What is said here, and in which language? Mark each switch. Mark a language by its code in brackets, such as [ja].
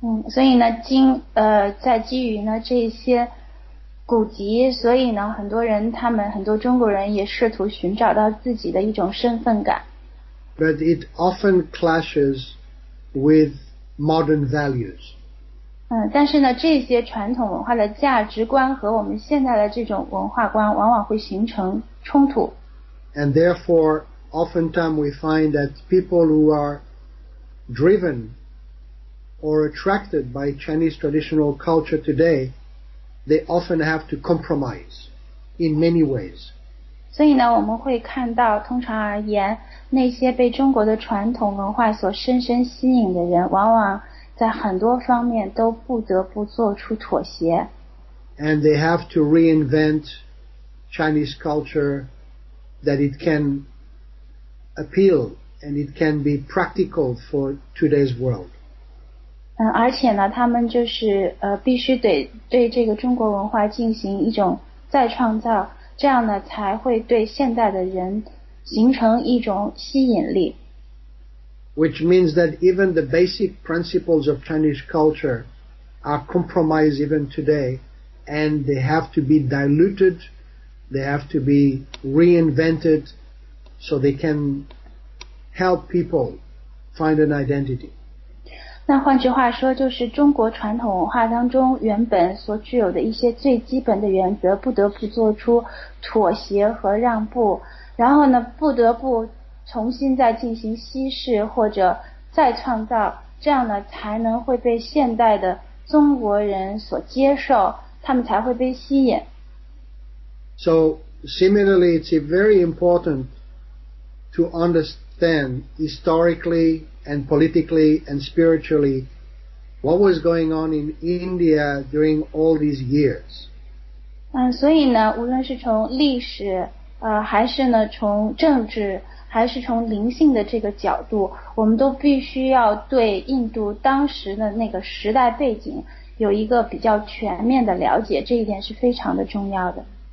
[zh] 所以呢，在基于呢这些古籍，所以呢，很多中国人也试图寻找到自己的一种身份感。 [en] But it often clashes with modern values. [zh] 但是呢，这些传统文化的价值观和我们现在的这种文化观往往会形成冲突。 [en] And therefore, oftentimes we find that people who are driven or attracted by Chinese traditional culture today, they often have to compromise in many ways. [zh] 所以呢，我们会看到，通常而言，那些被中国的传统文化所深深吸引的人，往往在很多方面都不得不做出妥协。 [en] And they have to reinvent Chinese culture that it can appeal and it can be practical for today's world. [zh] 而且呢，他们就是必须得对这个中国文化进行一种再创造，这样呢才会对现代的人形成一种吸引力。 [en] Which means that even the basic principles of Chinese culture are compromised even today, and they have to be diluted. They have to be reinvented so they can help people find an identity. [zh] 那换句话说，就是中国传统文化当中原本所具有的一些最基本的原则，不得不做出妥协和让步，然后呢，不得不重新再进行稀释或者再创造，这样呢，才能会被现代的中国人所接受，他们才会被吸引。 [en] So similarly, it's very important to understand historically and politically and spiritually what was going on in India during all these years. [zh] 所以呢，无论是从历史，还是呢从政治，还是从灵性的这个角度，我们都必须要对印度当时的那个时代背景有一个比较全面的了解，这一点是非常的重要的。